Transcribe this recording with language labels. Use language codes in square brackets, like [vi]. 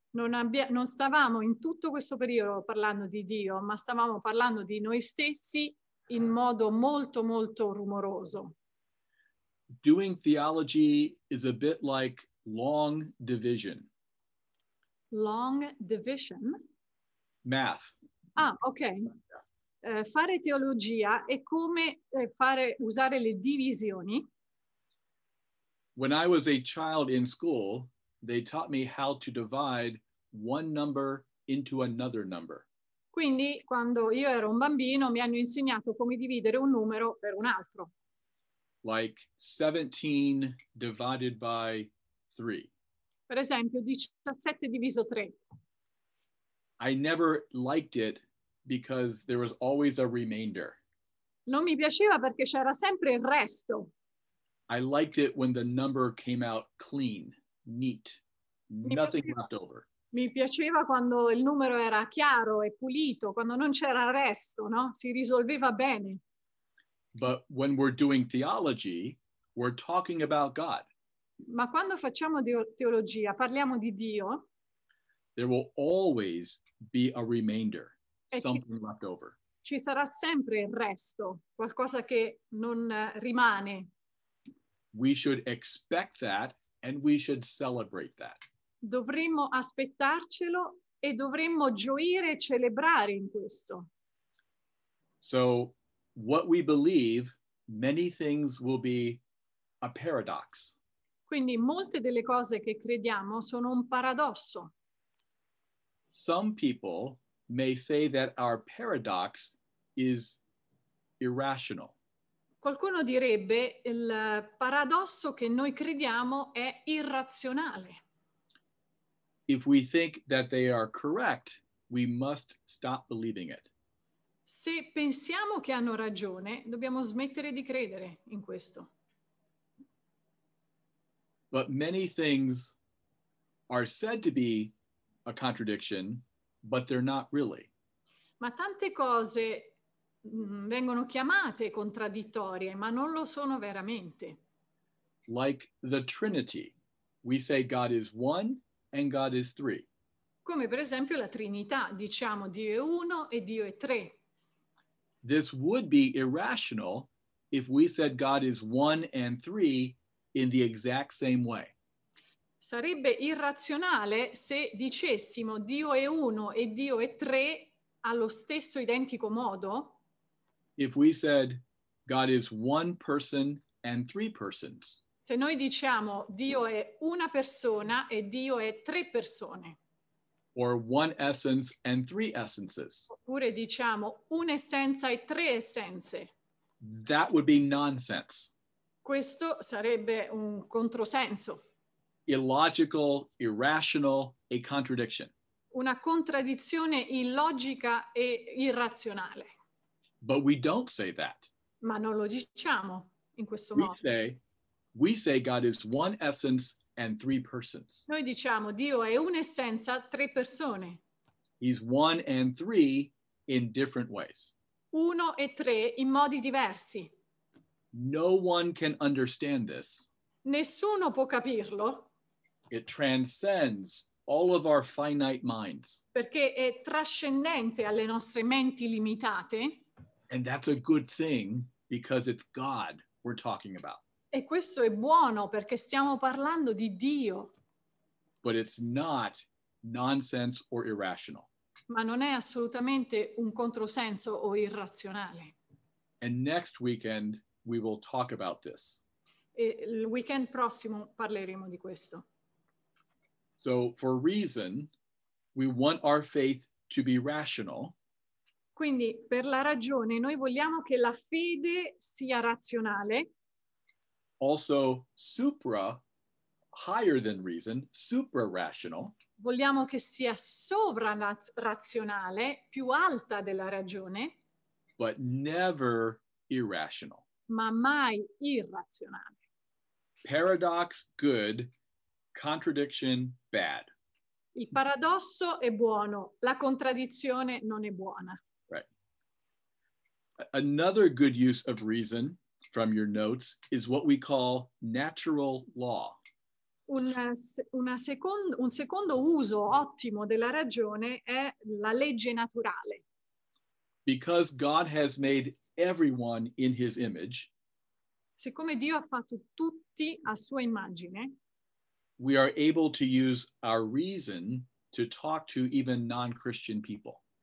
[it] Non stavamo in tutto questo periodo parlando di Dio, ma stavamo parlando di noi stessi in modo molto, molto rumoroso. [en] Doing theology is a bit like long division. Long division? Math. Ah, okay. [it] fare teologia è come fare usare le divisioni. [en] When I was a child in school, they taught me how to divide one number into another number. [it] Quindi, quando io ero un bambino, mi hanno insegnato come dividere un numero per un altro. [en] Like 17 divided by 3. [it] Per esempio, 17 diviso 3. [en] I never liked it because there was always a remainder. [it] Non mi piaceva perché c'era sempre il resto. [en] I liked it when the number came out clean, neat, nothing left over. [it] Mi piaceva quando il numero era chiaro e pulito, quando non c'era resto, no? Si risolveva bene. [en] But when we're doing theology, we're talking about God. [it] Ma quando facciamo teologia, parliamo di Dio. [en] There will always be a remainder, something left over. [it] Ci sarà sempre il resto, qualcosa che non rimane. [en] We should expect that and we should celebrate that. [it] Dovremmo aspettarcelo e dovremmo gioire e celebrare in questo. [en] So, what we believe, many things will be a paradox. [it] Quindi molte delle cose che crediamo sono un paradosso. [en] Some people may say that our paradox is irrational. [it] Qualcuno direbbe il paradosso che noi crediamo è irrazionale. [en] If we think that they are correct, we must stop believing it. [it] Se pensiamo che hanno ragione, dobbiamo smettere di credere in questo. [en] But many things are said to be a contradiction, but they're not really. [it] Ma tante cose vengono chiamate contraddittorie, ma non lo sono veramente. [en] Like the Trinity, we say God is one. And God is three. [it] Come per esempio la Trinità, diciamo Dio è uno e Dio è tre. [en] This would be irrational if we said God is one and three in the exact same way. [it] Sarebbe irrazionale se dicessimo Dio è uno e Dio è tre allo stesso identico modo. [en] If we said God is one person and three persons. [it] Se noi diciamo Dio è una persona e Dio è tre persone. [en] Or one essence and three essences. [it] Oppure diciamo un'essenza e tre essenze. [en] That would be nonsense. [it] Questo sarebbe un controsenso. [en] Illogical, irrational, a contradiction. [it] Una contraddizione illogica e irrazionale. [en] But we don't say that. [it] Ma non lo diciamo in questo [en] we [it] modo. [en] We say God is one essence and three persons. [it] Noi diciamo Dio è un'essenza, tre persone. [en] He's one and three in different ways. [it] Uno e tre in modi diversi. [en] No one can understand this. [it] Nessuno può capirlo. [en] It transcends all of our finite minds. [it] Perché è trascendente alle nostre menti limitate. [en] And that's a good thing because it's God we're talking about. [it] E questo è buono perché stiamo parlando di Dio. [en] But it's not nonsense or irrational. [it] Ma non è assolutamente un controsenso o irrazionale. [en] And next weekend we will talk about this. [it] E il weekend prossimo parleremo di questo. [en] So for reason we want our faith to be rational. [it] Quindi per la ragione noi vogliamo che la fede sia razionale. [en] Also supra, higher than reason, supra-rational. [it] Vogliamo che sia sovra-razionale, più alta della ragione. [en] But never irrational. [it] Ma mai irrazionale. [en] Paradox, good. Contradiction, bad. [it] Il paradosso è buono, la contraddizione non è buona. [en] Right. Another good use of reason from your notes is what we call natural law. [it] Un secondo uso ottimo della ragione è la legge naturale. [en] Because God has made everyone in his image, [it] siccome Dio ha fatto tutti a sua immagine, [en] we are able to use our reason to talk to even non-Christian people.